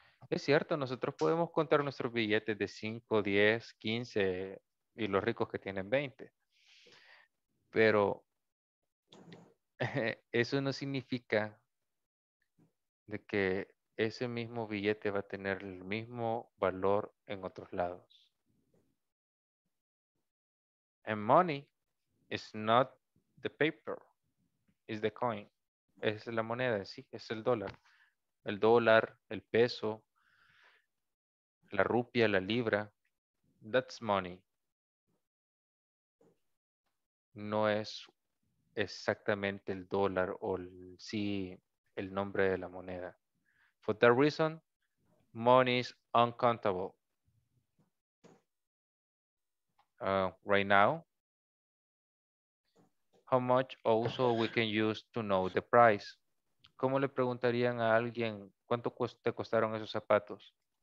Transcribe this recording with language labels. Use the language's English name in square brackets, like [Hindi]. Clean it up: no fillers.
[Spanish] Es cierto, nosotros podemos contar nuestros billetes de 5, 10, 15 y los ricos que tienen 20. Pero eso no significa de que ese mismo billete va a tener el mismo valor en otros lados. [English] And money is not the paper, it's the coin. [Spanish] Es la moneda en sí, es el dólar. El dólar, el peso, la rupia, la libra, [English] that's money. [Spanish] No es exactamente el dólar o el, sí, el nombre de la moneda. [English] For that reason, money is uncountable. Right now, how much also we can use to know the price? [Spanish] ¿Cómo le preguntarían a alguien cuánto te costaron esos zapatos?